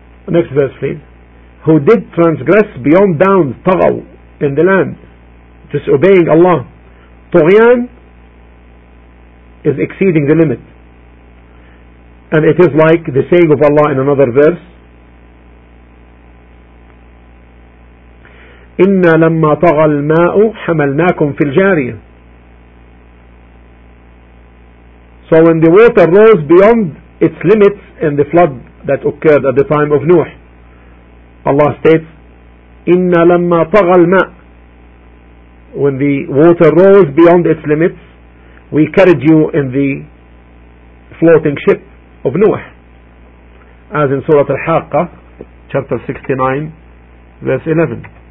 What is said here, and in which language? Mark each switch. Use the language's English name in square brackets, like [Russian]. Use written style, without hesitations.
[English] Next verse please. Who did transgress beyond bounds, طغوا, in the land, disobeying Allah. طغيان is exceeding the limit. And it is like the saying of Allah in another verse, [Arabic] إنا لما طغى الماء حملناكم في الجارية. [English] So when the water rose beyond its limits in the flood that occurred at the time of Nuh, Allah states, [Arabic] إنا لما طغى الماء, [English] when the water rose beyond its limits, we carried you in the floating ship of Nuh, as in Surah Al-Haqqa, chapter 69, verse 11.